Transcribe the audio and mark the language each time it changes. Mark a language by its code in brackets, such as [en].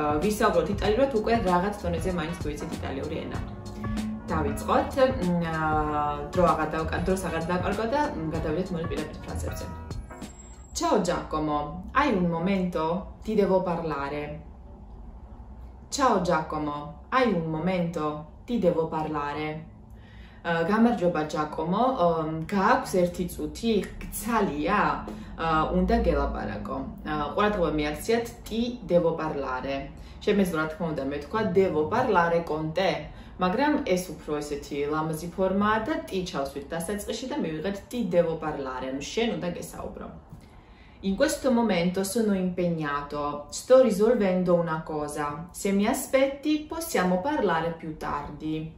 [ka] ვისაუბროთ იტალიურად უკვე რაღაც დონეზე მაინც თუ იცით იტალიური ენა. დავიწყოთ. დროს აღარ დაკარგო და გადავიდეთ მონაპირეთ ფრაზებზე. [it] Ciao Giacomo, hai un momento? Ti devo parlare. Ciao Giacomo, hai un momento? Ti devo parlare. [ka] გამარჯობა ჯაკომო, გააქვს 1 წუთი, გძალია, უნდა გელაპარაკო. ყურადღება მიაქციათ [it] ti devo parlare. [ka] შემიძლია რა თქმა უნდა მეთქვა [it] devo parlare con te, [ka] მაგრამ ეს უფრო ესეთი ლამაზი ფორმაა და ti ჩავსვით დასაწყისში და მივიღეთ [it] ti devo parlare, [ka] ანუ შენ უნდა გესაუბრო. [it] In questo momento sono impegnato, sto risolvendo una cosa. Se mi aspetti, possiamo parlare più tardi.